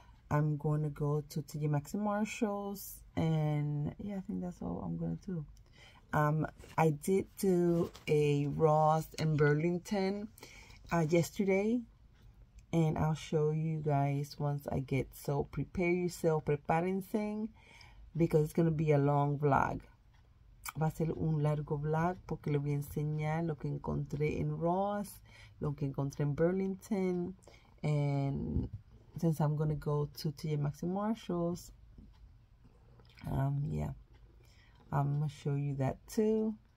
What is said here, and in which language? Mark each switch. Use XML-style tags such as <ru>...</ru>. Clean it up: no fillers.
<en>I'm going to go to Tjmaxx and Marshall's. And yeah, I think that's all I'm going to do. I did do a Ross in Burlington yesterday. And I'll show you guys once I get. So prepare yourself,</en> <es>prepárense,</es> <en>because it's going to be a long vlog.</en> <es>Va a ser un largo vlog porque le voy a enseñar lo que encontré en Ross, lo que encontré en Burlington.</es> <en>And since I'm going to go to Tjmaxx and Marshall's, yeah, I'm going to show you that too.</en>